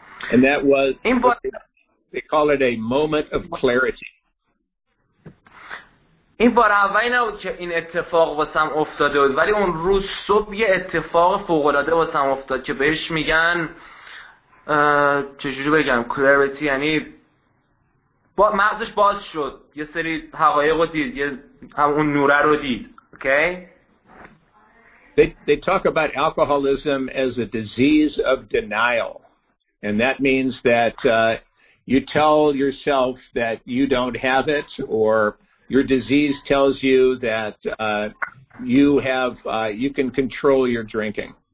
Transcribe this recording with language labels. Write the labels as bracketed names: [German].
[English] And that was, they call it a moment of clarity. [Persian] این بار اولی نبود که این اتفاق واسم افتاده بود، ولی اون روز صبح یه اتفاق فوق‌العاده واسم افتاد که بهش میگن چجوری بگم clarity، یعنی مغزش باز شد، یه سری حقایق رو دید، هم اون نوره رو دید. Okay? [English] They talk about alcoholism as a disease of denial, and that means that you tell yourself that you don't have it, or your disease tells you that you can control your drinking.